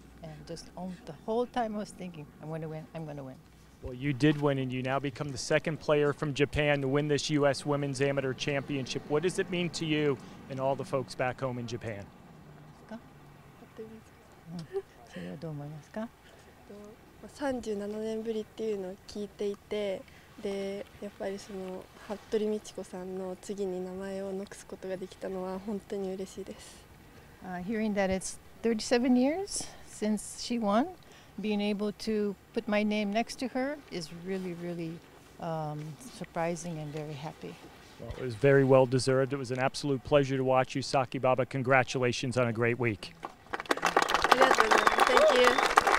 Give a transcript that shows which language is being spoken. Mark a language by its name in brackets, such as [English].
[English] And just the whole time I was thinking, I'm going to win, I'm going to win. Well, you did win, and you now become the second player from Japan to win this U.S. Women's Amateur Championship. What does it mean to you and all the folks back home in Japan? What do you think? [Japanese] 37年ぶりっていうのを聞いていて、でやっぱりその服部道子さんの次に名前を残すことができたのは本当に嬉しいです。 [English] Hearing that it's 37 years since she won, being able to put my name next to her is really, really, surprising and very happy. Well, it was very well deserved. It was an absolute pleasure to watch you, Saki Baba. Congratulations on a great week. [Japanese] ありがとうございます。